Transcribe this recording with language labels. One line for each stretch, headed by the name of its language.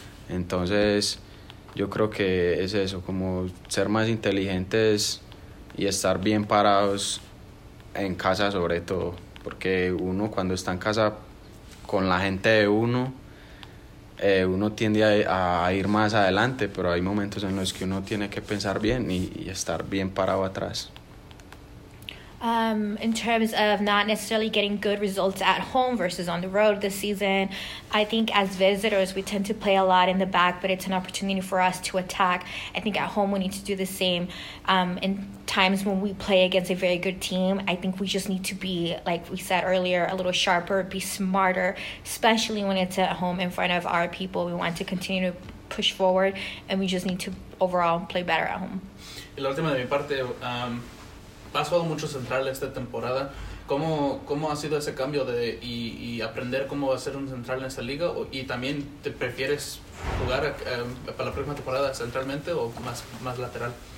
Spanish: Entonces yo creo que es eso, como ser más inteligentes y estar bien parados en casa sobre todo, porque uno cuando está en casa con la gente de uno, uno tiende a ir más adelante, pero hay momentos en los que uno tiene que pensar bien y estar bien parado atrás.
English: In terms of not necessarily getting good results at home versus on the road this season, I think as visitors we tend to play a lot in the back, but it's an opportunity for us to attack. I think at home we need to do the same. In times when we play against a very good team, I think we just need to be, like we said earlier, a little sharper, be smarter, especially when it's at home in front of our people. We want to continue to push forward, and we just need to overall play better at home.
Spanish: La última de mi parte, has jugado mucho central esta temporada. ¿Cómo ha sido ese cambio y aprender cómo va a ser un central en esta liga? ¿Y también te prefieres jugar para la próxima temporada centralmente o más lateral?